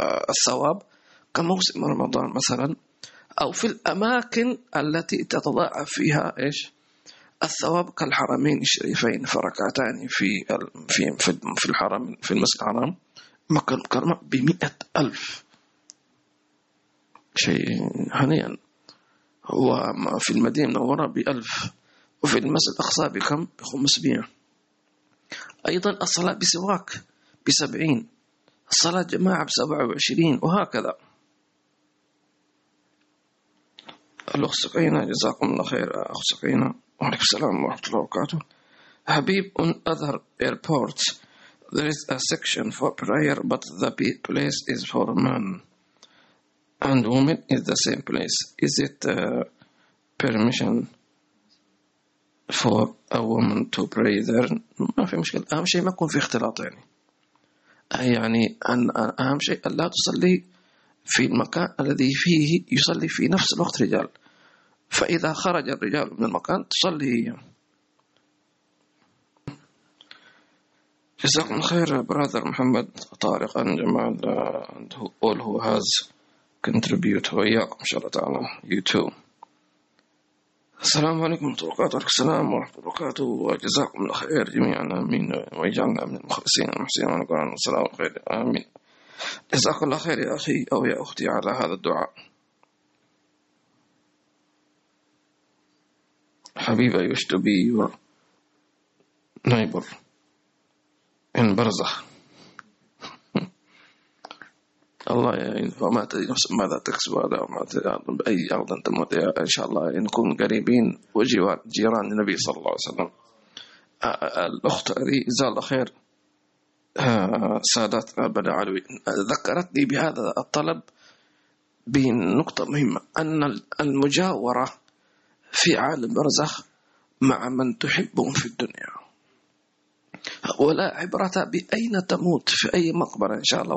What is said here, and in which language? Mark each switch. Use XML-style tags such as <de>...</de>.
<ar>الثواب كموسم رمضان مثلا، أو في الأماكن التي تتضاعف فيها إيش الثواب كالحرمين الشريفين، فركعتان في الحرم في المسجد الحرام مكة المكرمة بمئة ألف شيء هنيئا، وفي المدينة المنورة بألف، وفي المسجد الأقصى بكم؟ بخمسمائة. أيضا الصلاة بسواك بسبعين، الصلاة جماعة بسبعة وعشرين، وهكذا. الأخ سقينا جزاكم الله خير، أخ سقينا وعليكم السلام ورحمة الله وبركاته.</ar> <en>حبيب، on other airports there is a section for prayer but the place is for men and women is the same place. Is it permission for a woman to pray there؟</en> <ar>ما في مشكلة، أهم شيء ما يكون في اختلاط، يعني أن أهم شيء أن لا تصلي في المكان الذي فيه يصلي في نفس الوقت رجال، فإذا خرج الرجال من المكان تصلي. جزاكم خير برادر محمد طارق عن جمال</ar> <en>and all who has contributed</en> <ar>وإياكم إن شاء الله تعالى.</ar> <en>You too.</en> <ar>السلام عليكم ورحمة الله وبركاته، وجزاكم الله خير جميعا، آمين، ويجعلنا من المخلصين المحسنين من القرآن والسلام والخير، آمين. جزاكم الله خير يا أخي أو يا أختي على هذا الدعاء.</ar> <en>حبيبة used to be your neighbor in برزخ.</en> <ar>الله يعني، فما تدري ماذا تكسب هذا وما تدري بأي أرض تموت، إن شاء الله نكون قريبين وجيران النبي صلى الله عليه وسلم. الأخت هذه جزاها الله خير سادات بن علوي ذكرتني بهذا الطلب بنقطة مهمة، أن المجاورة في عالم برزخ مع من تحبهم في الدنيا، ولا عبرة بأين تموت، في أي مقبرة إن شاء الله.</ar>